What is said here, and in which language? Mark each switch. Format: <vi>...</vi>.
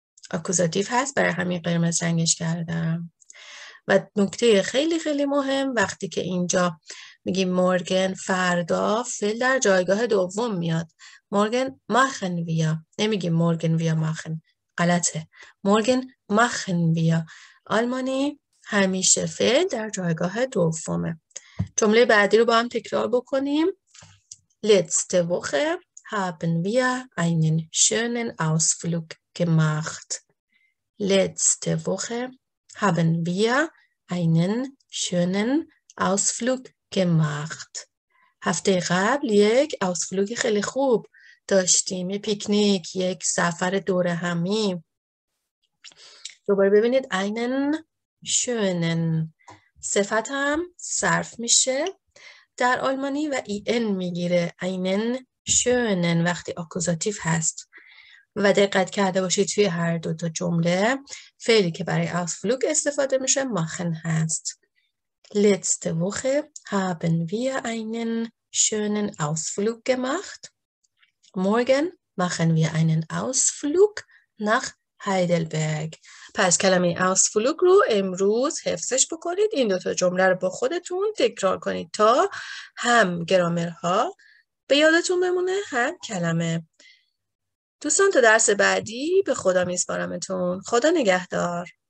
<fa>اکوزاتیف هست، برای همین قرمز رنگش کردم. و نکته خیلی خیلی مهم، وقتی که اینجا میگیم مورگن، فردا فعل در جایگاه دوم میاد.</fa> <de>مورگن ماخن ویا،</de> <fa>نمیگیم</fa> <de>مورگن ویا ماخن،</de> <fa>غلطه.</fa> <de>مورگن ماخن ویا</de> <fa>آلمانی همیشه فعل در جایگاه دومه. جمله بعدی رو با هم تکرار بکنیم.</fa> <de>letzte woche haben wir einen schönen ausflug gemacht. letzte woche haben wir einen schönen ausflug gemacht.</de> <fa>هفته قبل یک ausflug خیلی خوب داشتیم، یه پیکنیک، یک سفر دور همی. دوباره ببینید</fa> <de>einen schönen،</de> <fa>صفت هم صرف میشه در آلمانی و ein میگیره.</fa> <de>einen schönen</de> <fa>وقتی آکوزاتیف هست. و دقت کرده باشید توی هر دو تا جمله فعلی که برای ausflug استفاده میشه machen هست.</fa> <de>letzte woche haben wir einen schönen ausflug gemacht. Morgen machen wir einen Ausflug nach Heidelberg.</de> <fa>پس کلمه Ausflug رو امروز حفظش بکنید. این دوتا جمله رو با خودتون تکرار کنید تا هم گرامرها به یادتون بمونه، هم کلمه. دوستان تا درس بعدی به خدا میسپارمتون. خدا نگهدار.</fa>